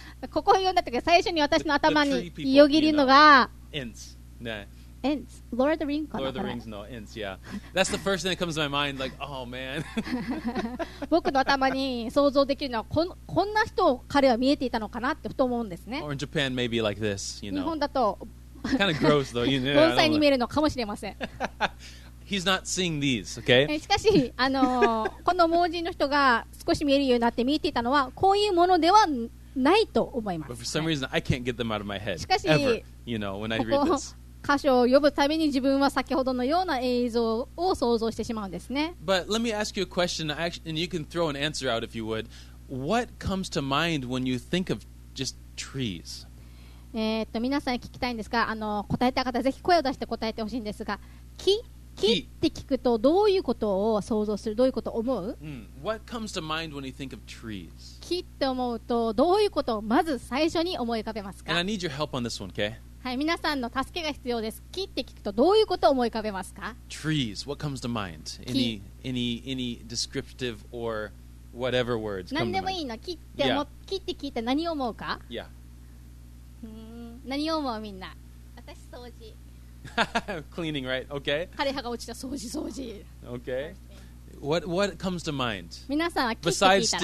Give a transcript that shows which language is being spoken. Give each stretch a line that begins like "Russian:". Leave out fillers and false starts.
Japanese: ここを読んだ時、最初に私の頭によぎるのが、
English: Ents. Ents. Lord of the Rings. Lord of the Rings. No, Ents. Yeah, that's the first thing that comes to my mind. Like, oh man.
Japanese: 僕の頭に想像できるのはこんな人を彼は見えていたのかなってふと思うんですね。
English: Or in Japan, maybe like this. You know.
Japanese: 日本だと
English: kind of gross, though. You know.
Japanese: 盆栽に見えるのかもしれません。
English: He's not seeing these. Okay.
Japanese: しかし、この盲人の人が少し見えるようになって見えていたのはこういうものでは。ないと思います。
English: But for some reason, I can't get them out of my head.
Japanese: しかし、
English: ever, you know, when I read this.
Japanese: ここ箇所を読むために自分は先ほどのような映像を想像してしまうんですね。
English: But let me ask you a question, and you can throw an answer out if you would. What comes to mind when you think of just trees?
Japanese: 皆さん聞きたいんですが、答えた方ぜひ声を出して答えてほしいんですが、木、木って聞くとどういうことを想像する、どういうことを思う？
English: What comes to mind when you think of trees?
Japanese: 木って思うとどういうことをまず最初に思い浮かべますか？
English: And I need your help on this one, okay?
Japanese: はい、皆さんの助けが必要です。木って聞くとどういうことを思い浮かべますか？
English: Trees, what comes to mind?
Japanese: 木。
English: Any descriptive or whatever words come to mind?
Japanese: 何でもいいの、木って思、木って聞いて何を思うか？
English: Yeah.
Japanese: 何を思う、みんな？私、掃除。
English: Cleaning, right? Okay.
Japanese: 枯れ葉が落ちた掃除掃除。
English: Okay. What comes to mind?
Japanese: 皆さんは木って聞いたら。